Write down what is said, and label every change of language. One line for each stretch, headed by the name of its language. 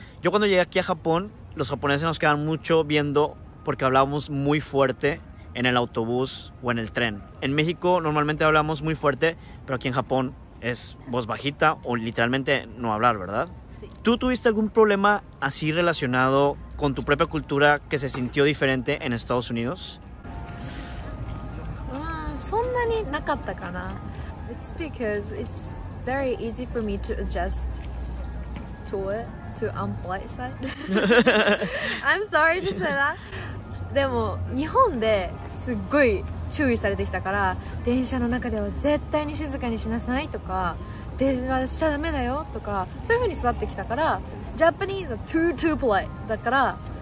Spanish: Yo cuando llegué aquí a Japón, los japoneses nos quedan mucho viendo porque hablábamos muy fuerte en el autobús o en el tren. En México normalmente hablamos muy fuerte, pero aquí en Japón. Es voz bajita o literalmente no hablar, ¿verdad? Sí. ¿Tú tuviste algún problema así relacionado con tu propia cultura que se sintió diferente en Estados Unidos?
Japanese: そんなに なかったかな。
English: It's because it's very easy for me to adjust to it. to unpolite side. I'm sorry to say that.
Japanese: でも日本ですっごい注意されてきたから、電車の中では絶対に静かにしなさいとか、電話しちゃダメだよとか、そういう風に育ってきたから、
English: Japanese are too too polite
Japanese: だから、